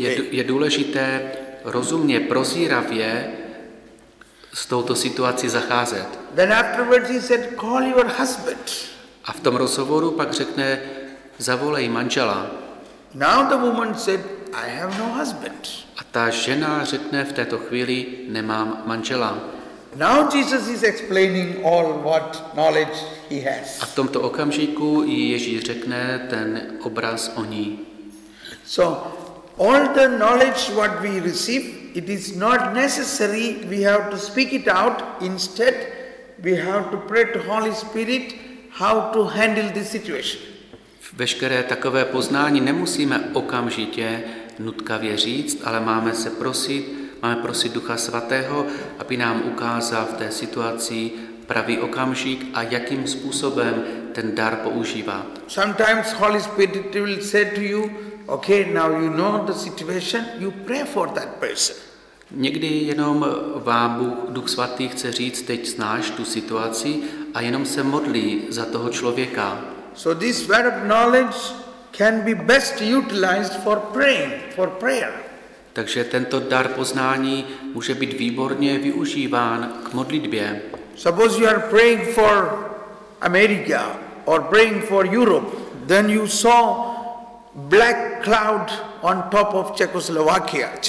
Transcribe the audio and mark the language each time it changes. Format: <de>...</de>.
<cs>Je důležité rozumně, prozíravě s touto situací zacházet.</cs> <en>Then afterwards he said, call your husband.</en> <cs>A v tom rozhovoru pak řekne, zavolej manžela.</cs> <en>Now the woman said, I have no husband.</en> <cs>A ta žena řekne v této chvíli, nemám manžela.</cs> <en>Now Jesus is explaining all what knowledge he has.</en> <cs>A v tomto okamžiku i Ježíš řekne ten obraz o ní.</cs> <en>So all the knowledge what we receive, it is not necessary, we have to speak it out, instead we have to pray to Holy Spirit how to handle this situation.</en> <cs>Veškeré takové poznání nemusíme okamžitě nutkavě říct, ale máme se prosit, máme prosit Ducha Svatého, aby nám ukázal v té situaci pravý okamžik a jakým způsobem ten dar používat.</cs> <en>Sometimes Holy Spirit will say to you, okay, now you know the situation, you pray for that person.</en> <cs>Někdy jenom vám Bůh, Duch Svatý chce říct, teď znáš tu situaci a jenom se modlí za toho člověka.</cs> <en>So this word of knowledge can be best utilized for praying, for prayer.</en> <cs>Takže tento dar poznání může být výborně využíván k modlitbě.</cs> <en>Suppose you are praying for America or praying for Europe, then you saw black cloud on top of Czechoslovakia.</en>